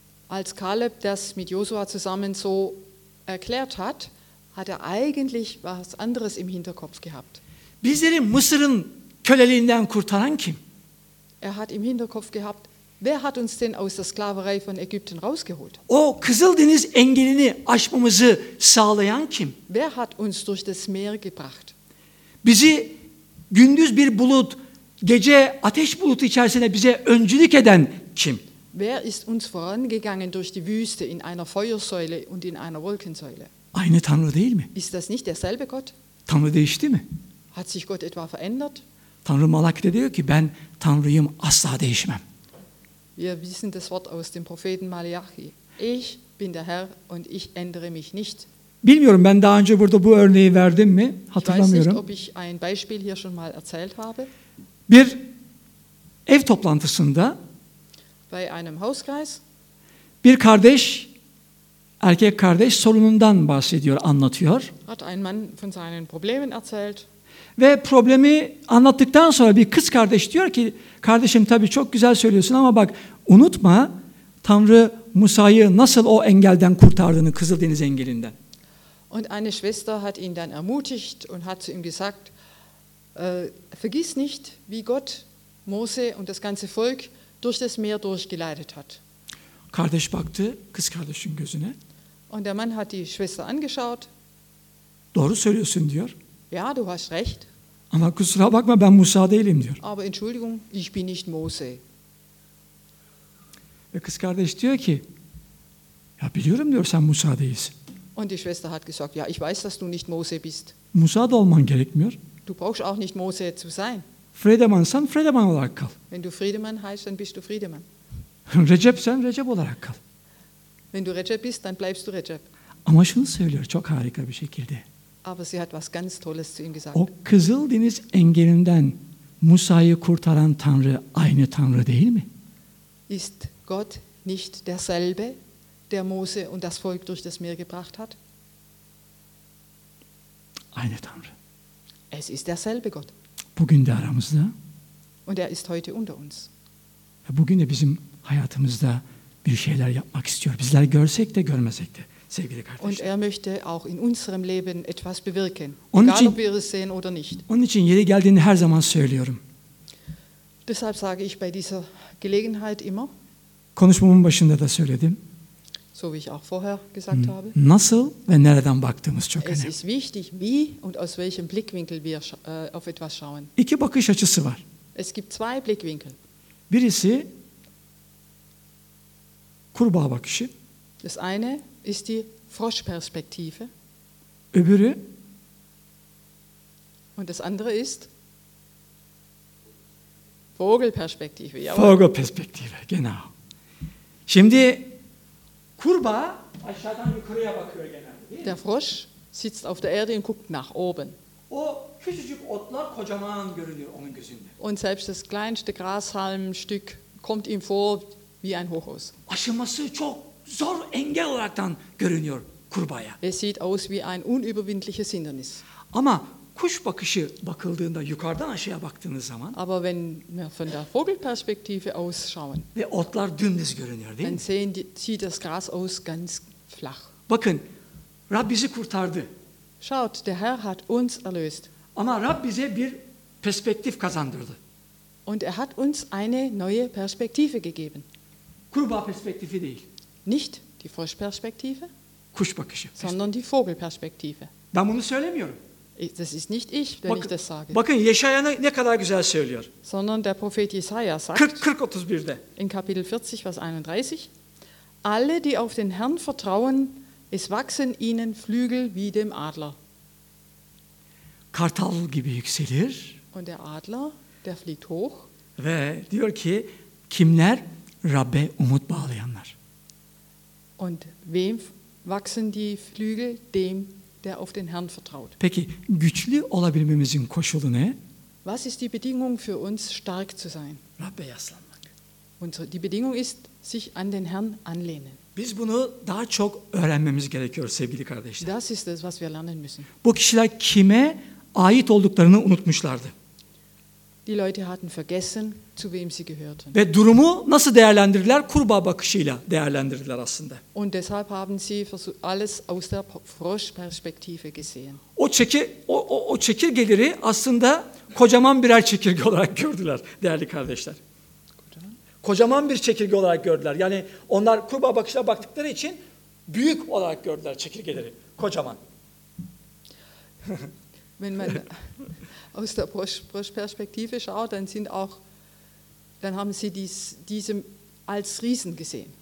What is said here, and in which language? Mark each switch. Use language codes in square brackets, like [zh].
[de] Als Kaleb das mit Josua zusammen so erklärt hat, hat eigentlich was anderes im Hinterkopf gehabt. [tr] Bizleri Mısır'ın köleliğinden kurtaran kim? [de] Er hat im Hinterkopf gehabt, wer hat uns denn aus der Sklaverei von Ägypten rausgeholt? [tr] O Kızıldeniz engelini aşmamızı sağlayan kim? [de] Wer hat uns durch das Meer gebracht? [tr] Bizi gündüz bir bulut, gece ateş bulutu içerisine bize öncülük eden kim? [de] Wer ist uns vorangegangen durch die Wüste in einer Feuersäule und in einer Wolkensäule? [tr] Aynı Tanrı değil mi? [de] Ist das nicht derselbe Gott? [tr] Tanrı değişti mi? [de] Hat sich Gott etwa verändert? [tr] Tanrı Malaki'de diyor ki ben Tanrıyım asla değişmem. [de] Wir wissen das Wort aus dem Propheten Malachi. Ich bin der Herr und ich ändere mich nicht. [tr] Bilmiyorum ben daha önce burada bu örneği verdim mi? Hatırlamıyorum. [de] Ich weiß nicht, ob ich ein Beispiel hier schon mal erzählt habe. [tr] Bir ev toplantısında [de] bei einem Hauskreis [tr] bir kardeş, erkek kardeş sorunundan bahsediyor, anlatıyor. [de] Hat ein Mann von seinen Problemen erzählt. [tr] Ve problemi anlattıktan sonra bir kız kardeş diyor ki, kardeşim tabii çok güzel söylüyorsun ama bak unutma Tanrı Musa'yı nasıl o engelden kurtardığını, Kızıldeniz engelinden. [de] Und eine Schwester hat ihn dann ermutigt und hat zu ihm gesagt, vergiss nicht, wie Gott Mose und das ganze Volk durch das Meer durchgeleitet hat. [tr] Kardeş baktı kız kardeşin gözüne. [de] Und der Mann hat die Schwester angeschaut. [tr] Doğru söylüyorsun diyor. [de] Ja, du hast recht. [tr] Ama kusura bakma ben Musa değilim diyor. [de] Aber Entschuldigung, ich bin nicht Mose. [tr] Ve kız kardeş diyor ki, [de] ja [tr] biliyorum diyor sen Musa değilsin. [de] Und die Schwester hat gesagt, ja ich weiß, dass du nicht Mose bist. [tr] Musa da olman gerekmiyor. [de] Du brauchst auch nicht Mose zu sein. [tr] Friedemannsan Friedemann olarak kal. [de] Wenn du Friedemann heißt, dann bist du Friedemann. [tr] Recepsen Recep olarak kal. [de] Wenn du Recep bist, dann bleibst du Recep. [tr] Ama şunu söylüyor çok harika bir şekilde. [de] Aber sie hat was ganz Tolles zu ihm gesagt. [tr] O Kızıldeniz engelinden Musa'yı kurtaran Tanrı aynı Tanrı değil mi? [de] Ist Gott nicht derselbe, der Mose und das Volk durch das Meer gebracht hat? [tr] Aynı Tanrı. [de] Es ist derselbe Gott. [tr] Bugün de aramızda. [de] Und er ist heute unter uns. [tr] Bugün de bizim hayatımızda bir şeyler yapmak istiyor. Bizler görsek de görmesek de. Sevgili kardeşler. [de] Und er möchte auch in unserem Leben etwas bewirken, [tr] onun [de] egal [tr] için, [de] ob wir es sehen oder nicht. [tr] Onun için yeri geldiğini her zaman söylüyorum. [de] Deshalb sage ich bei dieser Gelegenheit immer. [tr] Konuşmamın başında da söyledim. [de] So wie ich auch vorher gesagt habe. [tr] Nasıl ve nereden baktığımız çok [de] es [tr] önemli. [de] Es ist wichtig, wie und aus welchem Blickwinkel wir auf etwas schauen. [tr] İki bakış açısı var. [de] Es gibt zwei Blickwinkel. [tr] Birisi Kurbağa bakışı. [de] Das eine ist die Froschperspektive. [tr] Öbürü. [de] Und das andere ist Vogelperspektive. Vogelperspektive, genau. [tr] Şimdi kurbağa aşağıdan yukarıya bakıyor genelde. [de] Der Frosch sitzt auf der Erde und guckt nach oben. [tr] O küçücük otlar kocaman görünüyor onun gözünde. [de] Und selbst das kleinste Grashalmstück kommt ihm vor wie ein Hochhaus. [tr] Aşılması çok zor engel olaraktan görünüyor kurbağaya. [de] Es sieht aus wie ein unüberwindliches Hindernis. [tr] Ama kuş bakışı bakıldığında yukarıdan aşağıya baktığınız zaman. [de] Aber wenn wir von der Vogelperspektive ausschauen. [tr] Ve otlar dümdüz görünüyor değil mi? [de] Dann sehen die, sieht das Gras aus ganz flach. [tr] Bakın Rab bizi kurtardı. [de] Schaut, der Herr hat uns erlöst. [tr] Ama Rab bize bir perspektif kazandırdı. [de] Und er hat uns eine neue Perspektive gegeben. [tr] Kurbağa perspektifi değil. [de] Nicht die Froschperspektive. [tr] Kuş bakışı. [de] Sondern die Vogelperspektive. [tr] Ben bunu söylemiyorum. [de] Das ist nicht ich, wenn ich das sage. [tr] Bakın Yeşaya ne kadar güzel söylüyor. [de] Sondern der Prophet Jesaja sagt. [tr] 40-31'de. [de] In Kapitel 40, Vers 31. Alle, die auf den Herrn vertrauen, es wachsen ihnen Flügel wie dem Adler. [tr] Kartal gibi yükselir. [de] Und der Adler, der fliegt hoch. [tr] Ve diyor ki, kimler? Rabbe umut bağlayanlar. [de] Und wem wachsen die Flügel? Dem, der auf den Herrn vertraut. [tr] Peki, güçlü olabilmemizin koşulu ne? [de] Was ist die Bedingung für uns, stark zu sein? [tr] Rabbe yaslanmak. [de] Und die Bedingung ist, sich an den Herrn anlehnen. [tr] Biz bunu daha çok öğrenmemiz gerekiyor sevgili kardeşler. [de] Das ist das, was wir lernen müssen. [tr] Bu kişiler kime ait olduklarını unutmuşlardı. [de] Die Leute hatten vergessen, zu wem sie gehörten. [tr] Ve durumu nasıl değerlendirdiler? Kurbağa bakışıyla değerlendirdiler aslında. [de] Und deshalb haben sie alles aus der Froschperspektive gesehen. [tr] O çekirgeleri aslında kocaman birer çekirge olarak gördüler değerli kardeşler. Kocaman bir çekirge olarak gördüler. Yani onlar kurbağa bakışına baktıkları için büyük olarak gördüler çekirgeleri. Kocaman. [de] Wenn man aus der Froschperspektive schaut, dann sind auch dann haben sie diesem als Riesen gesehen.